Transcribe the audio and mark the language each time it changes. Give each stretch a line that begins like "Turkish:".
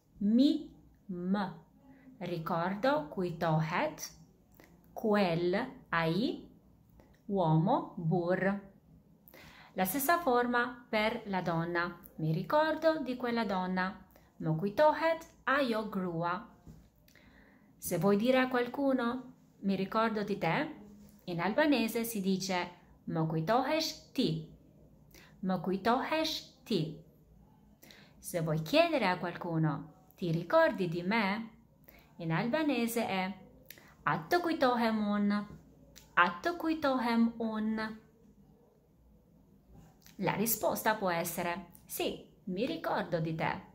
Italian: Mi, më. Ricordo, kujtohet, quel, ai, uomo, burr. La stessa forma per la donna. Mi ricordo di quella donna.
Albanian: Më kujtohet ajo grua.
Italian: Se vuoi dire a qualcuno, mi ricordo di te. In albanese si dice
Albanian: më kujtohesh ti. Më kujtohesh ti.
Italian: Se vuoi chiedere a qualcuno ti ricordi di me? In albanese è
Albanian: atë kujtohem un. Atë kujtohem un.
Italian: La risposta può essere sì, mi ricordo di te.